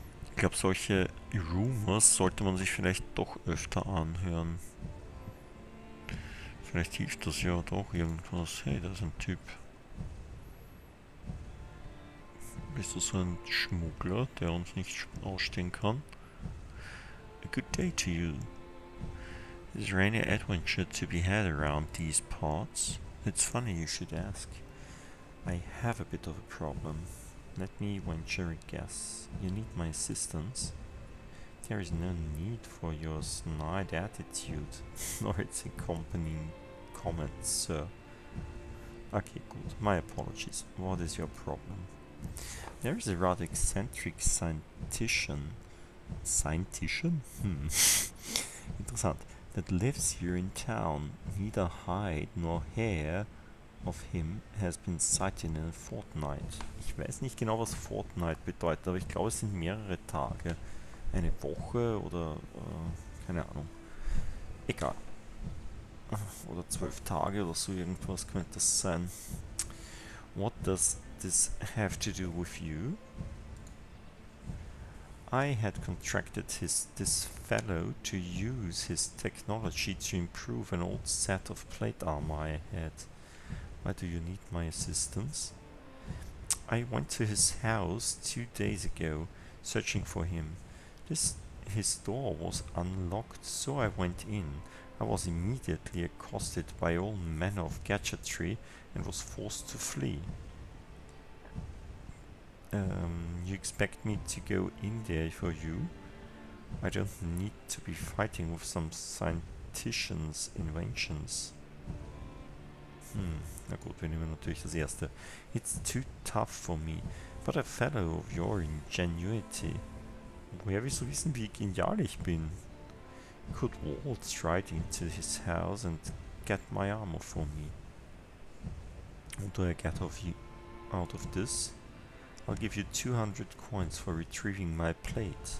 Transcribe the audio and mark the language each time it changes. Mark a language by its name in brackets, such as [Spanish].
[German] Ich glaube, solche Rumors sollte man sich vielleicht doch öfter anhören. Vielleicht hilft das ja doch irgendwas. Hey, da ist ein Typ. Bist du so ein Schmuggler, der uns nicht ausstehen kann? [English] A good day to you. Is there any adventure to be had around these parts? It's funny you should ask. I have a bit of a problem. Let me venture a guess. You need my assistance. There is no need for your snide attitude, nor its accompanying comments, sir. Okay, good. My apologies. What is your problem? There is a rather eccentric scientician? Hmm. [German] Interessant. [English] That lives here in town. Neither hide nor hair of him has been sighted in a fortnight. [German] Ich weiß nicht genau, was fortnight bedeutet, aber ich glaube, es sind mehrere Tage. Eine Woche oder keine Ahnung. Egal. Oder 12 Tage oder so irgendwas könnte das sein. [English] What does this have to do with you? I had contracted this fellow to use his technology to improve an old set of plate armor I had. Why do you need my assistance? I went to his house 2 days ago, searching for him. His door was unlocked, so I went in. I was immediately accosted by all manner of gadgetry and was forced to flee. You expect me to go in there for you? I don't need to be fighting with some scientist's inventions. [German] Na gut, wir nehmen natürlich das erste. [English] It's too tough for me, but a fellow of your ingenuity. [German] Woher willst du wissen, wie genial ich bin? [English] Could waltz right into his house and get my armor for me. What do I get of you out of this? I'll give you 200 coins for retrieving my plate.